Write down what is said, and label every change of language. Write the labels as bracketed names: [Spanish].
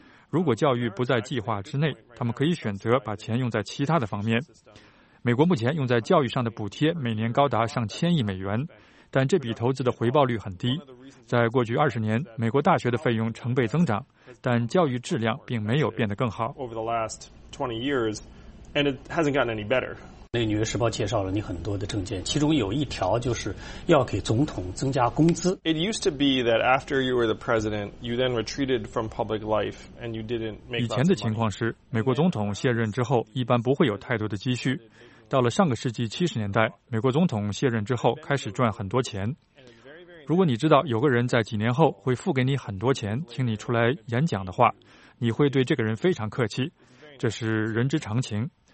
[Chinese] 如果教育不在计划之内，他们可以选择把钱用在其他的方面。美国目前用在教育上的补贴每年高达$1,000,000,000，但这笔投资的回报率很低。在过去20年，美国大学的费用成倍增长，但教育质量并没有变得更好。 [English] Over the last 20 years, and it hasn't gotten any better. [Chinese] 那《纽约时报》介绍了你很多的政见，其中有一条就是要给总统增加工资。 [English] It used to be that after you were the president, you then retreated from public life and you didn't make. [Chinese] 以前的情况是，美国总统卸任之后一般不会有太多的积蓄。到了上个世纪70年代，美国总统卸任之后开始赚很多钱。如果你知道有个人在几年后会付给你很多钱，请你出来演讲的话，你会对这个人非常客气，这是人之常情。